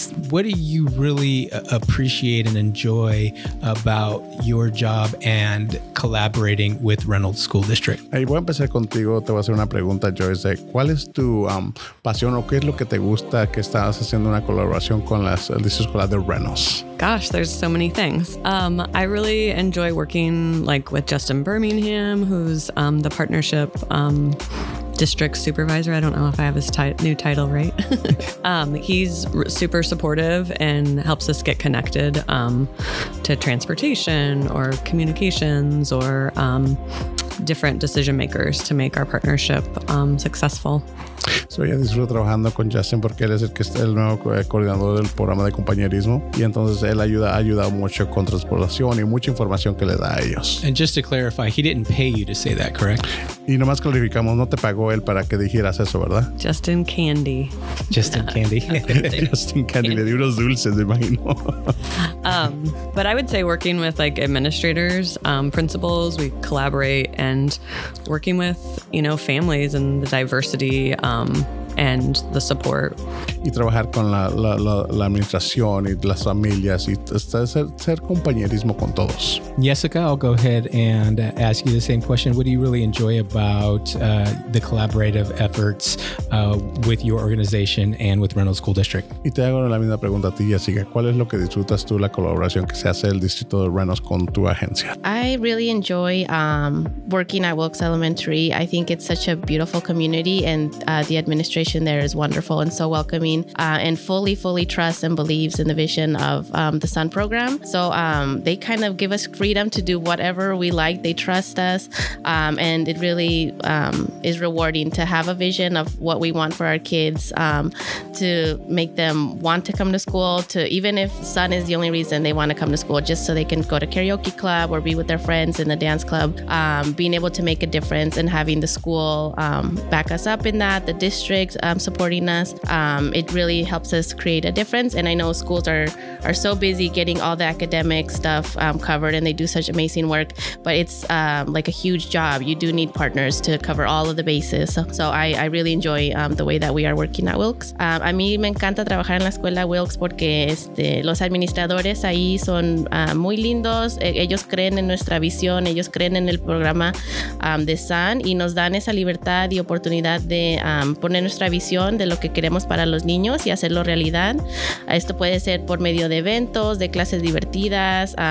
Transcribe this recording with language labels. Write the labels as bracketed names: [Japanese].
[English] What do you really appreciate and enjoy about your job and collaborating with Reynolds School District? [Spanish] Hey, voy a empezar contigo. Te voy a hacer una pregunta, Joy. ¿Cuál es tu pasión o qué es lo que te gusta que estás haciendo una colaboración con la distrito escolar de Reynolds? [English] Gosh, there's so many things. I really enjoy working like with Justin Birmingham, who's the partnership district supervisor. I don't know if I have his new title right. he's super supportive and helps us get connected to transportation or communications or different decision makers to make our partnership successful. [Spanish] So ella disfruta trabajando con Justin porque él es el que está el nuevo coordinador del programa de compañerismo y entonces él ayuda mucho con transportación y mucha información que le da a ellos. [English] And just to clarify, he didn't pay you to say that, correct? [Spanish] Y nomás clarificamos, no te pagó él para que dijeras eso, ¿verdad? [English] Justin Candy. Justin Candy. [Spanish] Justin Candy le dio unos dulces, me imagino. [English] but I would say working with like administrators, principals, we collaborate, and working with, you know, families and the diversity and the support. [Spanish] Y trabajar con la administración y las familias y ser compañerismo con todos. [English] Jessica, I'll go ahead and ask you the same question. What do you really enjoy about the collaborative efforts with your organization and with Reynolds School District? [Spanish] Y te hago la misma pregunta a ti, Jessica. ¿Cuál es lo que disfrutas tú la colaboración que se hace el distrito de Reynolds con tu agencia? [English] I really enjoy working at Wilkes Elementary. I think it's such a beautiful community and the administration there is wonderful and so welcoming and fully trusts and believes in the vision of the Sun program. So they kind of give us freedom to do whatever we like. They trust us and it really is rewarding to have a vision of what we want for our kids, to make them want to come to school, to even if Sun is the only reason they want to come to school, just so they can go to karaoke club or be with their friends in the dance club, being able to make a difference and having the school back us up in that, the district supporting us. It really helps us create a difference. And I know schools are so busy getting all the academic stuff covered and they do such amazing work, but it's like a huge job. You do need partners to cover all of the bases. So I really enjoy the way that we are working at Wilkes. [Spanish] A mí me encanta trabajar en la escuela Wilkes porque los administradores ahí son muy lindos. Ellos creen en nuestra visión. Ellos creen en el programa de SAN y nos dan esa libertad y oportunidad de poner nuestra nuestra visión de lo que queremos para los niños y hacerlo realidad. Esto puede ser por medio de eventos, de clases divertidas.